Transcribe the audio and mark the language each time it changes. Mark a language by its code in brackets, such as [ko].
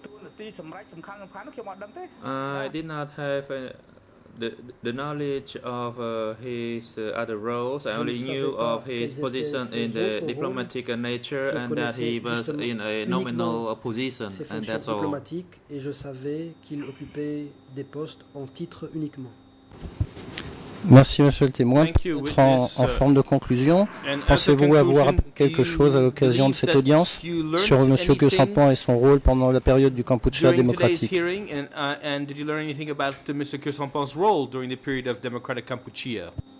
[en] I did not have the knowledge of his other roles. I only knew of his position in the diplomatic nature and that he was in a nominal position, and that's all. [fr] Et je savais qu'il occupait des postes en titre uniquement. Merci, monsieur le témoin. Peut-être en forme de conclusion, pensez-vous avoir appris quelque chose à l'occasion de cette audience sur monsieur Khieu Samphan et son rôle pendant la période du Kampuchea démocratique? [en] And did you learn anything about Mr. Khieu Samphan's role during the period of democratic Kampuchea?